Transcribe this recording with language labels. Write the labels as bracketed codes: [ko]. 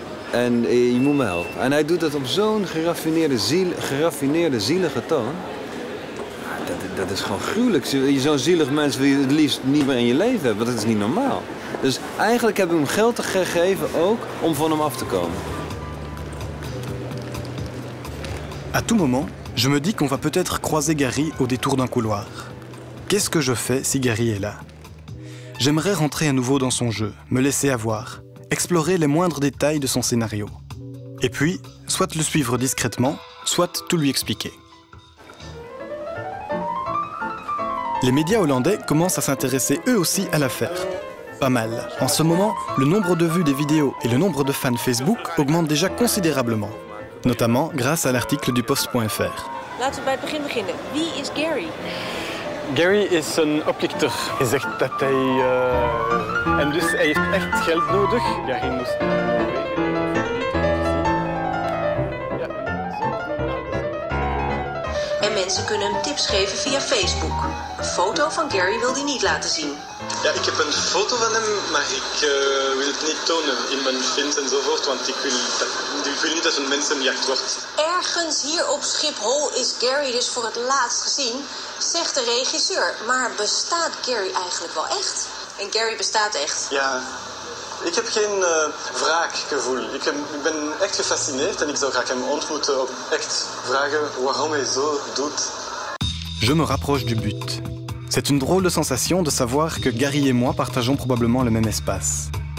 [nl] En je moet me helpen. En hij doet dat op zo'n geraffineerde zielige toon. Dat is gewoon gruwelijk. Zo'n zielig mens wil je het liefst niet meer in je leven hebben. Dat is niet normaal. Dus eigenlijk heb ik hem geld gegeven ook om van hem af te komen. [fr] À tout moment, je me dis qu'on va peut-être croiser Gary au détour d'un couloir. Qu'est-ce que je fais si Gary est là? J'aimerais rentrer à nouveau dans son jeu, me laisser avoir, explorer les moindres détails de son scénario. Et puis, soit le suivre discrètement, soit tout lui expliquer. Les médias hollandais commencent à s'intéresser eux aussi à l'affaire. Pas mal. En ce moment, le nombre de vues des vidéos et le nombre de fans Facebook augmentent déjà considérablement. Notamment grâce à l'article du Post.fr. [nl] Laten we bij het begin beginnen. Wie is Gary? Gary is een oplichter. Hij zegt dat hij... En dus hij heeft echt geld nodig. Ja, hij moest... En mensen kunnen hem tips geven via Facebook. Een foto van Gary wil hij niet laten zien. Ja, ik heb een foto van hem, maar ik wil het niet tonen in mijn vins enzovoort, want ik wil niet dat een mensenjacht wordt. Ergens hier op Schiphol is Gary dus voor het laatst gezien, zegt de regisseur. Maar bestaat Gary eigenlijk wel echt? En Gary bestaat echt? Ja, ik heb geen wraakgevoel. Ik ben echt gefascineerd en ik zou graag hem ontmoeten om echt vragen waarom hij zo doet. [fr] Je me rapproche du but. C'est une drôle de sensation de savoir que Gary et moi partageons probablement le même espace.